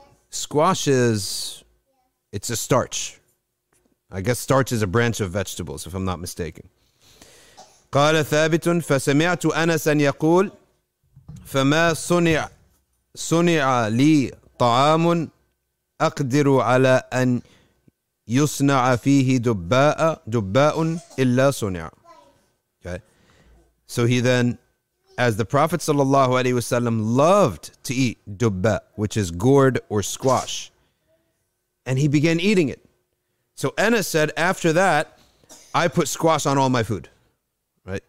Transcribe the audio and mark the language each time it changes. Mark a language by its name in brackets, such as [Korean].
[English] Squash is, it's a starch. I guess starch is a branch of vegetables, if I'm not mistaken. [Arabic] قال ثابت فسمعت أنس يقول فما صنع لي طعام أقدر على أن يصنع فيه دباء إلا صنع. [English] So he then, as the Prophet sallallahu alaihi wasallam loved to eat dubba, which is gourd or squash, and he began eating it. So Anas said, after that, I put squash on all my food. Right?